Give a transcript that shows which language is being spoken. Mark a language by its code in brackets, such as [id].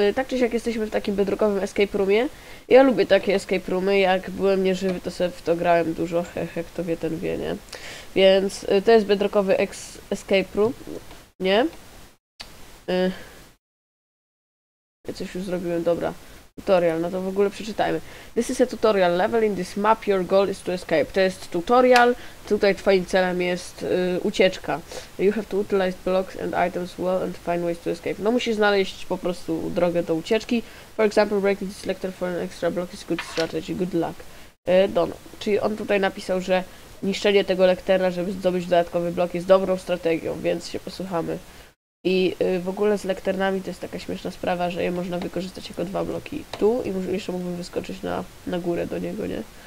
[pl] Tak czy siak jesteśmy w takim bedrockowym escape roomie. Ja lubię takie escape roomy. Jak byłem nieżywy, to sobie w to grałem dużo. Hehe, kto wie, ten wie, nie? Więc to jest bedrockowy escape room, nie? Ja coś już zrobiłem, dobra. Tutorial, no to w ogóle przeczytajmy. [en] This is a tutorial level. In this map your goal is to escape. [pl] To jest tutorial. Tutaj twoim celem jest ucieczka. [en] You have to utilize blocks and items well and find ways to escape. [pl] No musisz znaleźć po prostu drogę do ucieczki. [en] For example, breaking this selector for an extra block is good strategy. Good luck. Don. [pl] Czyli on tutaj napisał, że niszczenie tego lektera, żeby zdobyć dodatkowy blok, jest dobrą strategią, więc się posłuchamy. I w ogóle z lekternami to jest taka śmieszna sprawa, że je można wykorzystać jako dwa bloki tu i jeszcze mógłbym wyskoczyć na górę do niego, nie?